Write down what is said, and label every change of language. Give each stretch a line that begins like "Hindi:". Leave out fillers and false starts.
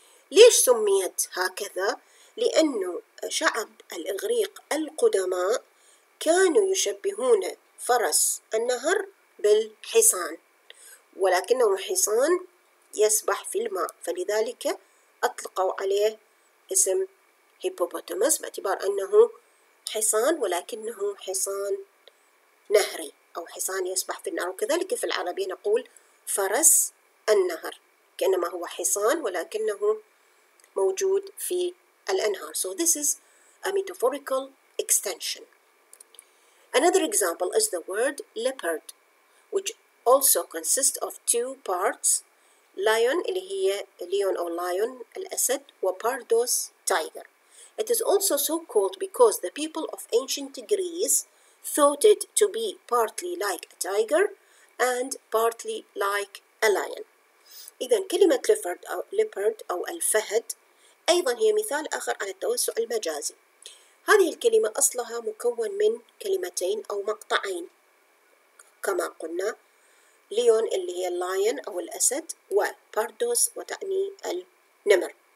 Arabic: ليش سميت هكذا؟ لأنه شعب الإغريق القدماء كانوا يشبهون فرس النهر بالحصان، ولكنه حصان يسبح في الماء، فلذلك أطلقوا عليه اسم hippopotamus باعتبار أنه حصان ولكنه حصان نهري أو حصان يسبح في النهر. وكذلك في العربية نقول فرس النهر، كأنما هو حصان ولكنه موجود في الأنهار.
English: So this is a metaphorical extension. Another example is the word leopard, which also consists of two parts, lion,
Arabic: اللي هي
English: leon or lion,
Arabic: الأسد,
English: وباردوس, tiger. It is also so called because the people of ancient Greece thought it to be partly like a tiger and partly like a lion.
Arabic: إذن كلمة leopard أو الفهد أيضا هي مثال آخر على التوسع المجازي. هذه الكلمة أصلها مكون من كلمتين أو مقطعين كما قلنا ليون اللي هي اللاين أو الأسد وباردوس وتعني النمر.